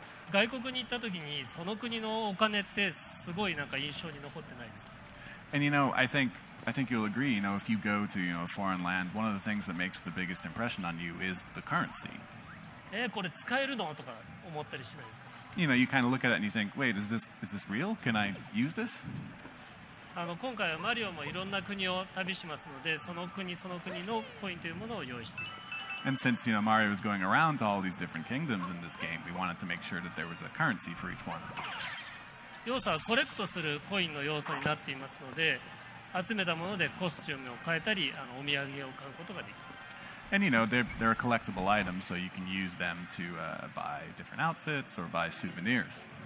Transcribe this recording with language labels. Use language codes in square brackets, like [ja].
[ja] 外国に行った時にその国のお金ってすごいなんか印象に残ってないですか? [en] And you know, I think you'll agree, you know, if you go to, you know, a foreign land, one of the things that makes the biggest impression on you is the currency. [ja] これ使えるの? とか思ったりしないですか? [en] You know, you kind of look at it and you think, wait, is this real? Can I use this? [ja] 今回はマリオもいろんな国を旅しますので、その国のコインというものを用意しています。 [en] And since, you know, Mario was going around to all these different kingdoms in this game, we wanted to make sure that there was a currency for each one. [ja] 要素はコレクトするコインの要素になっていますので、集めたものでコスチュームを変えたり、お土産を買うことができます。 [en] And, you know, they're collectible items, so you can use them to buy different outfits or buy souvenirs.